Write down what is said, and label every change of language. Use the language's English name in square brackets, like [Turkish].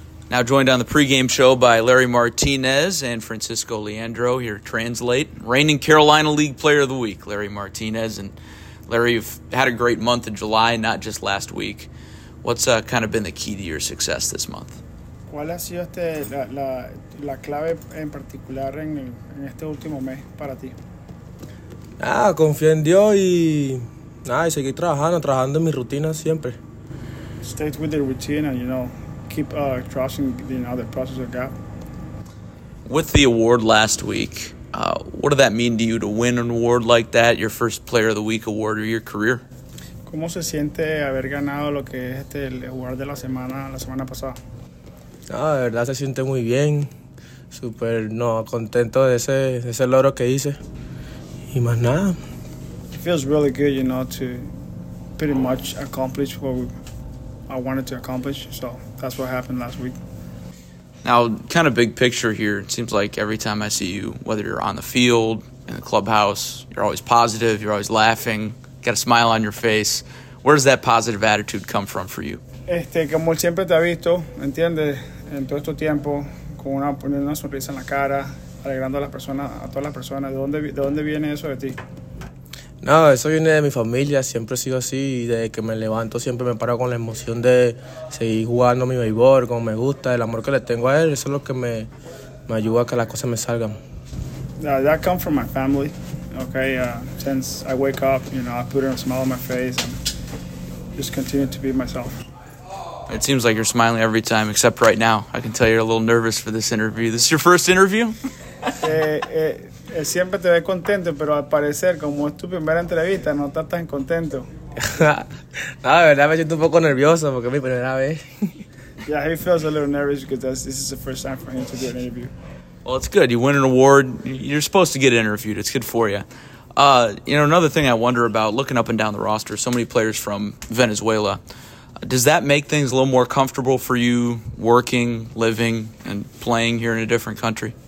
[English] Now joined on the pregame show by Larry Martinez and Francisco Leandro here to translate. Reigning Carolina League Player of the Week, Larry Martinez. And Larry, you've had a great month in July, not just last week. What's kind of been the key to your success this month? [Spanish] ¿Cuál ha sido la clave en particular en este último mes para ti? Confío en Dios y seguir trabajando en mi rutina siempre. [English] Stay with the routine and, you know, keep trusting the process of God. With the award last week, what did that mean to you to win an award like that, your first Player of the Week award of your career? [Spanish] ¿Cómo se siente haber ganado lo que es el award de la semana pasada? De verdad se siente muy bien, súper contento de ese logro que hice, y más nada. [English] It feels really good, you know, to pretty much accomplish what I wanted to accomplish, so that's what happened last week. Now, kind of big picture here, it seems like every time I see you, whether you're on the field, in the clubhouse, you're always positive, you're always laughing, got a smile on your face. Where does that positive attitude come from for you? [Spanish] Como siempre te ha visto, ¿entiendes? En todo este tiempo, con una poniendo una sonrisa en la cara, alegrando a todas las personas. ¿De dónde viene eso de ti? No, eso viene de mi familia. Siempre he sido así. Y desde que me levanto, siempre me paro con la emoción de seguir jugando mi béisbol, como me gusta, el amor que le tengo a él. Eso es lo que me ayuda a que las cosas me salgan. [English] That come from my family. Okay, since I wake up, you know, I put a smile on my face and just continue to be myself. It seems like you're smiling every time, except right now. I can tell you're a little nervous for this interview. This is your first interview? [Spanish] Siempre te ve contento, pero al parecer, como es tu primera entrevista, no estás tan contento. No, de verdad, me siento un poco nervioso porque es mi primera vez. [English] Yeah, he feels a little nervous because this is the first time for him to do an interview. Well, it's good. You win an award. You're supposed to get interviewed. It's good for you. You know, another thing I wonder about, looking up and down the roster, so many players from Venezuela. Does that make things a little more comfortable for you working, living, and playing here in a different country?